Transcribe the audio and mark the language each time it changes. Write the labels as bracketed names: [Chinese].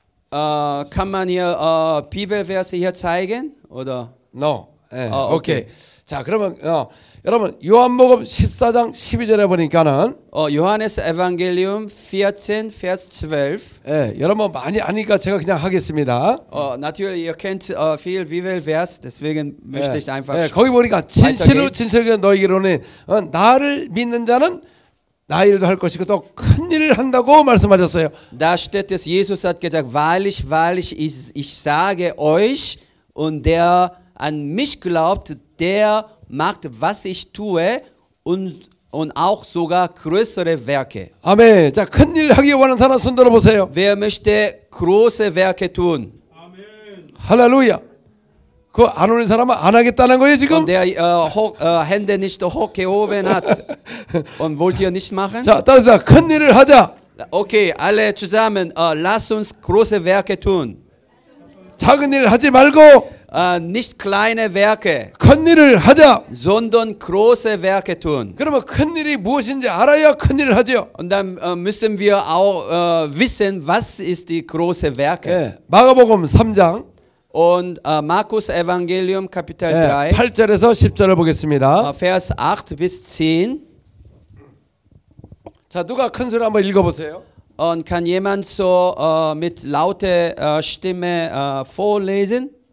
[German] kann man hier Bibelverse hier zeigen oder? [English] No. 예, okay. [Korean] 자, 그러면 여러분 요한복음 14장 12절에 보니까는 [German] Johannes Evangelium 14 Vers 12. [Korean] 예, 여러분 많이 아니까 제가 그냥 하겠습니다. [German] Natürlich ihr kennt viel Bibelverse, deswegen möchte ich einfach. [Korean] 예, 거기 보니까 진실로 진실로 너희로는 나를 믿는 자는 나 일도 할 것이고 또 큰 일을 한다고 말씀하셨어요. [German] Da steht es, Jesus hat gesagt, wahrlich, wahrlich, ich sage euch, und der an mich glaubt, der macht, was ich tue und auch sogar größere Werke. [Korean] 아멘. 자, 큰일 하기 원하는 사람 손 들어 보세요. [German] Wer möchte große Werke tun? [Korean] 아멘. 할렐루야. 그 안 오는 사람은 안 하겠다는 거예요, 지금? [German] Und der Hände nicht hochgehoben hat und wollt ihr nicht machen? [Korean] 자, 따라서 큰일을 하자. [German] Okay, alle zusammen, lass uns große Werke tun. [Korean] 작은 일 하지 말고 [German] nicht kleine Werke, [Korean] 큰 일을 하자. [German] Sondern große Werke tun. [Korean] 그러면 큰 일이 무엇인지 알아야 큰 일을 하죠. [German] Und dann müssen wir auch wissen, was ist die große Werke. [Korean] 예, 마가복음 3장 [German] Und Markus Evangelium Kapitel [Korean] 예, 3 8절에서 10절을 보겠습니다. [German] Vers 8 bis 10 [Korean] 자, 누가 큰 소리 한번 읽어보세요. [German] Und kann jemand so mit lauter Stimme vorlesen?